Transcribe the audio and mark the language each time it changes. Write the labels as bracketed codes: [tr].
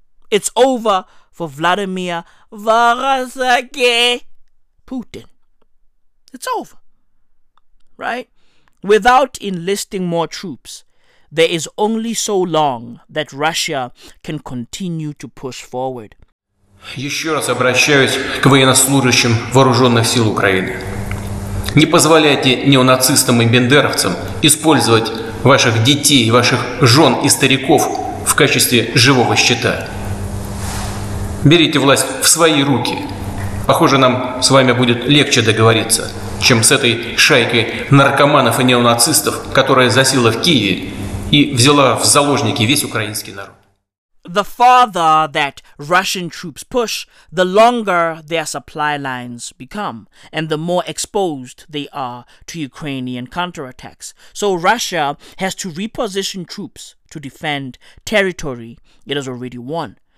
[en] It's over for Vladimir Varasaki Putin. It's over. Right? Without enlisting more troops, there is only so long that Russia can continue to push forward. [ru] Еще раз обращаюсь к военнослужащим вооруженных сил Украины. Не позволяйте неонацистам и бендеровцам использовать ваших детей, ваших жен и стариков в качестве живого щита. Берите власть в свои руки. Похоже, нам с вами будет легче договориться, чем с этой шайкой наркоманов и неонацистов, которая засела в Киеве и взяла в заложники весь украинский народ. [en] The farther that Russian troops push, the longer their supply lines become, and the more exposed they are to Ukrainian counterattacks. So Russia has to reposition troops to defend territory it has already won.